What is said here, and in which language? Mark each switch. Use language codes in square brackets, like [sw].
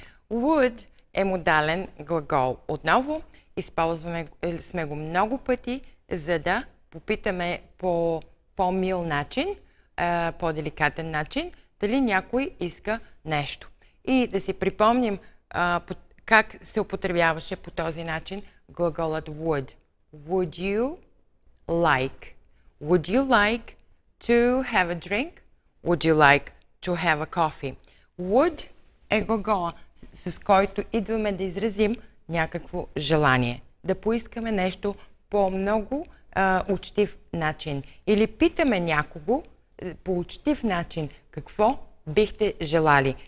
[bg] Would е модален глагол. Отново използваме, сме го много пъти, за да попитаме по-мил начин, по-деликатен начин, дали някой иска нещо. И да си припомним как се употребяваше по този начин глаголът would. [en] Would you like? Would you like to have a drink? Would you like to have a coffee? [bg] Would е глагола, с който идваме да изразим някакво желание. Да поискаме нещо по много учтив начин. Или питаме някого по учтив начин какво бихте желали.